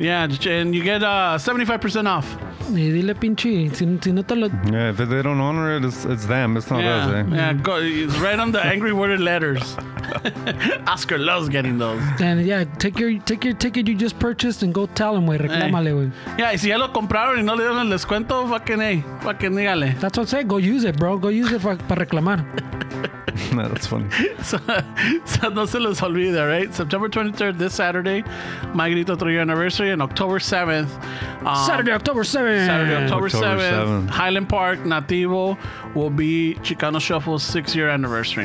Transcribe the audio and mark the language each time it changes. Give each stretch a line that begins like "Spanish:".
English: Yeah, and you get 75% off.
Spanish: Y dile pinche, si no te lo...
English: Yeah, if they don't honor it, it's them, it's not us, eh? Yeah, go, write on the angry worded letters. Oscar loves getting those. Then, yeah, take your ticket you just purchased and go tell him, güey,
Spanish: reclámale, güey. Yeah, y si ya lo compraron y no le dieron el descuento, fucking dígale.
English: That's what I said, go use it, bro, go use it
Spanish: para reclamar.
English: No, that's funny.
Spanish: So no se los olvide,
English: right? September 23rd, this Saturday, My Grito 3-year anniversary, and October 7th. Saturday, October 7th. Highland Park, Nativo, will be Chicano Shuffle's 6-year anniversary.